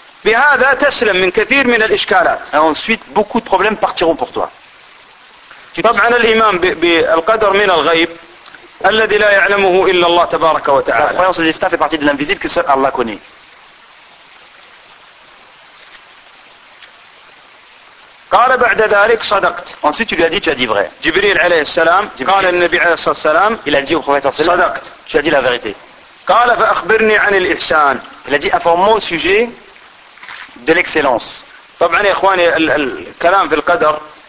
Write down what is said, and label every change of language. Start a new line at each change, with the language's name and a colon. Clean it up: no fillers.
Arabic: بهذا تسلم من كثير من الإشكالات.
French: Ensuite, beaucoup de problèmes partiront pour toi.
Arabic: طبعا الإيمان بالقدر من الغيب. الذي لا يعلمه إلا الله تبارك وتعالى.
French: La croyance des destins fait partie de l'invisible que seul Allah connaît.
Arabic: قال بعد ذلك صدقت.
French: Ensuite tu lui as dit tu as dit vrai.
Arabic: جبريل عليه السلام. قال النبي عليه الصلاة والسلام.
French: Il a dit au prophète
Arabic: صلى الله عليه صدقت.
French: Tu as dit la vérité.
Arabic: قال فأخبرني عن الإحسان.
French: Il a dit informe-moi au sujet de l'excellence.
Arabic: طبعا يا إخواني الكلام في القدر.